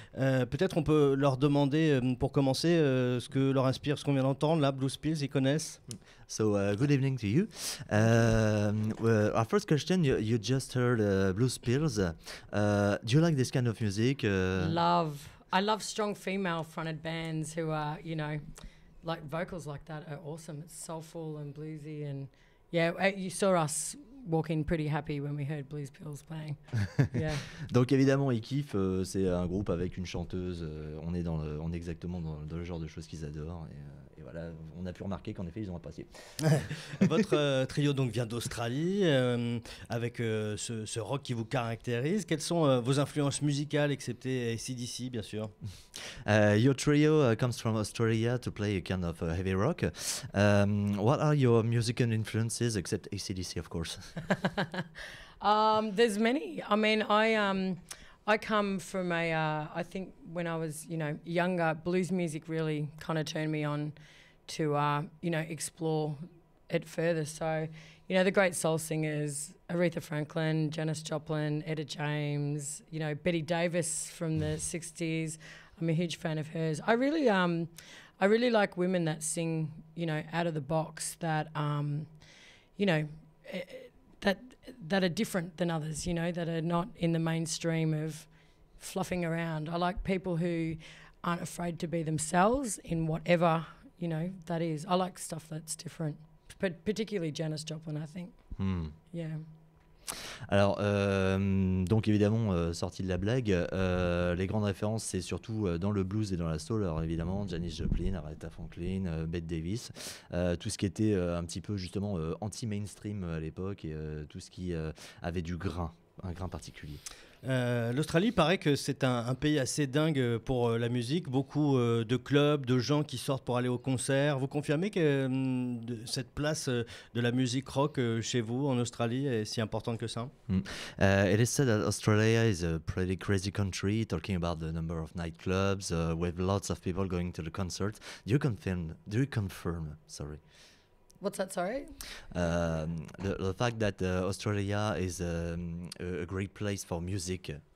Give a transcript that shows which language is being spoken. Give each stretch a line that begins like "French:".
French: Peut-être on peut leur demander, pour commencer, ce que leur inspire ce qu'on vient d'entendre, là, Blue Spills, ils connaissent.
English: So, good evening to you. Our first question, you just heard Blue Spills. Do you like this kind of music? I love strong female-fronted bands who are, you know... Like vocals like that are awesome. It's soulful and bluesy, and yeah, you saw us walking pretty happy when we heard Blues Pills playing. Yeah.
French: Donc évidemment, ils kiffent. C'est un groupe avec une chanteuse. On est dans le, on est exactement dans le genre de choses qu'ils adorent. Et voilà, on a pu remarquer qu'en effet, ils ont apprécié. Votre trio donc vient d'Australie, avec ce rock qui vous caractérise. Quelles sont vos influences musicales, excepté AC/DC, bien sûr?
English: Your trio comes from Australia to play a kind of heavy rock. What are your musical influences, except AC/DC, of course? There's many. I mean, I come from a, I think when I was, you know, younger, blues music really kind of turned me on to, you know, explore it further. So, you know, the great soul singers, Aretha Franklin, Janis Joplin, Etta James, you know, Betty Davis from the 60s. I'm a huge fan of hers. I really like women that sing, you know, out of the box, that, you know, that are different than others, you know, that are not in the mainstream of fluffing around. I like people who aren't afraid to be themselves in whatever, you know, that is. I like stuff that's different, particularly Janis Joplin, I think. Hmm. Yeah.
French: Alors, donc évidemment, sorti de la blague, les grandes références, c'est surtout dans le blues et dans la soul. Alors évidemment, Janis Joplin, Aretha Franklin, Bette Davis, tout ce qui était un petit peu justement anti-mainstream à l'époque, et tout ce qui avait du grain, un grain particulier. L'Australie paraît que c'est un pays assez dingue pour la musique, beaucoup de clubs, de gens qui sortent pour aller au concert. Vous confirmez que cette place de la musique rock chez vous en Australie est si importante que ça?
English: It is said that Australia is a pretty crazy country, talking about the number of nightclubs, with lots of people going to the concert. Do you confirm? What's that, sorry? The fact that Australia is a great place for music.